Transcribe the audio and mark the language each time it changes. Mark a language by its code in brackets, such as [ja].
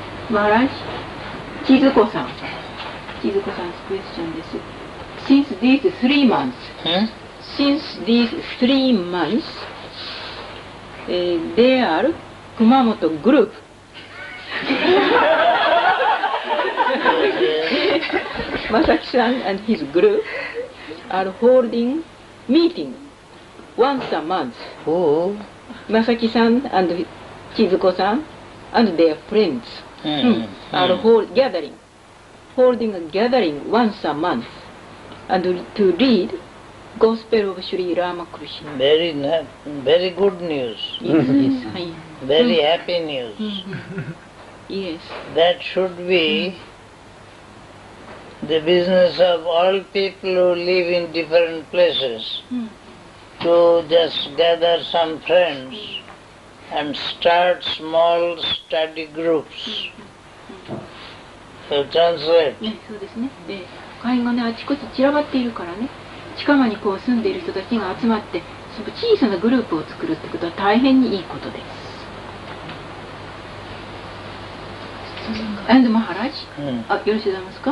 [ja] マラシ、千鶴子さん、千鶴子さんのクエスチョンです。 [en] Since these 3 months, since these 3 months, they are 熊本グループ。マサキさん and his group are holding meeting once a month. マサキさん and 千鶴子さん and their friends. are holding a gathering once a month and to read Gospel of Sri Ramakrishna. Very, very good news. Yes, yes. Very happy news. Yes. That should be the business of all people who live in different places to just gather some friends and start small study groups. So translate. [ja] ね、そうですね。で、会員がね、あちこち散らばっているからね、近間にこう住んでいる人たちが集まって、その小さなグループを作るってことは大変にいいことです。アンドマハラジ、あ、よろしいですか。